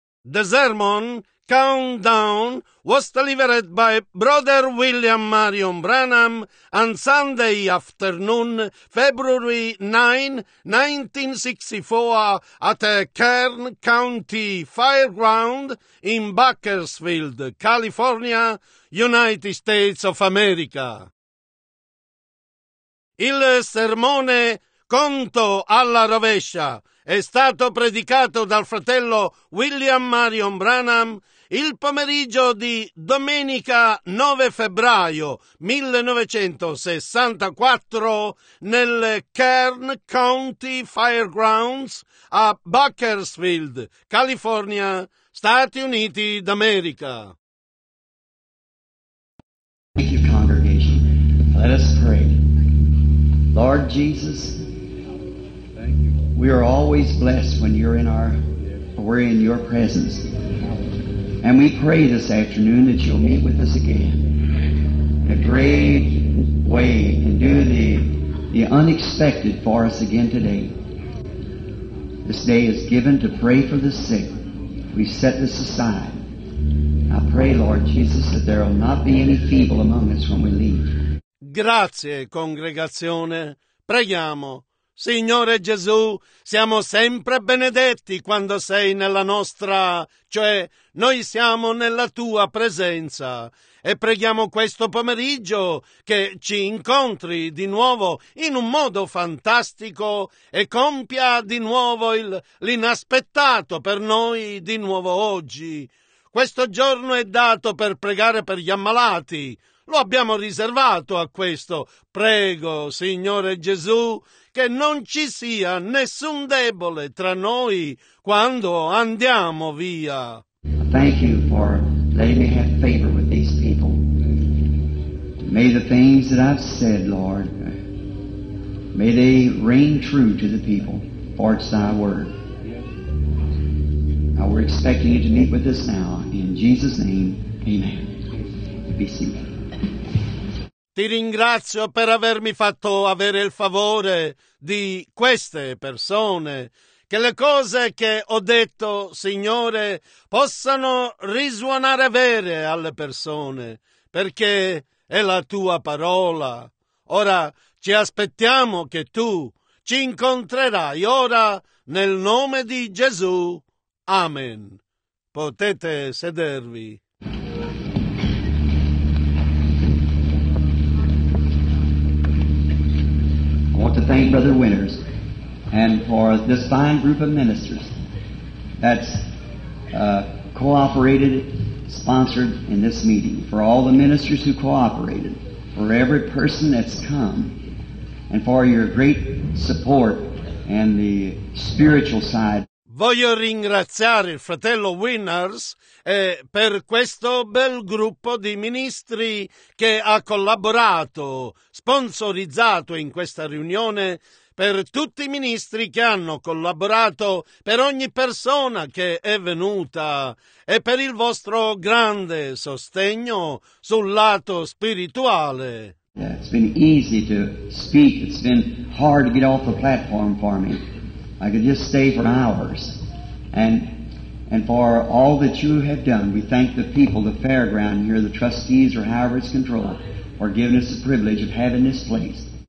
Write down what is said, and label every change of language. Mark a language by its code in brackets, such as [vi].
[en] The Sermon Countdown was delivered by Brother William Marion Branham on Sunday afternoon, February 9, 1964, at a Kern County Fairground in Bakersfield, California, United States of America. [it] Il sermone Conto alla rovescia è stato predicato dal fratello William Marion Branham il pomeriggio di domenica 9 febbraio 1964 nel Kern County Fairgrounds a Bakersfield, California, Stati Uniti d'America. [en] Thank you, congregation. Let us pray. Lord Jesus, we are always blessed when we're in your presence. And we pray this afternoon that you'll meet with us again in a great way and do the unexpected for us again today. This day is given to pray for the sick. We set this aside. I pray, Lord Jesus, that there will not be any feeble among us when we leave. [it] Grazie, congregazione. Preghiamo. Signore Gesù, siamo sempre benedetti quando sei nella nostra, cioè noi siamo nella tua presenza, e preghiamo questo pomeriggio che ci incontri di nuovo in un modo fantastico e compia di nuovo l'inaspettato per noi di nuovo oggi. Questo giorno è dato per pregare per gli ammalati. Lo abbiamo riservato a questo. Prego, Signore Gesù, che non ci sia nessun debole tra noi quando andiamo via. [en] Thank you for letting me have favor with these people. May the things that I've said, Lord, may they ring true to the people, for it's thy word. Now we're expecting you to meet with us now. In Jesus' name, amen. Be seated. [it] Ti ringrazio per avermi fatto avere il favore di queste persone, che le cose che ho detto, Signore, possano risuonare vere alle persone, perché è la Tua parola. Ora ci aspettiamo che Tu ci incontrerai ora nel nome di Gesù. Amen. Potete sedervi. [en] I want to thank Brother Winters and for this fine group of ministers that's cooperated, sponsored in this meeting. For all the ministers who cooperated, for every person that's come, and for your great support and the spiritual side. [it] Voglio ringraziare il fratello Winters per questo bel gruppo di ministri che ha collaborato, sponsorizzato in questa riunione, per tutti i ministri che hanno collaborato, per ogni persona che è venuta e per il vostro grande sostegno sul lato spirituale. [en] Yeah, it's been easy to speak. It's been hard to get off the platform for me. I could just stay for hours. And for all that you have done, we thank the people, the fairground here, the trustees or however it's controlled, for giving us the privilege of having this place.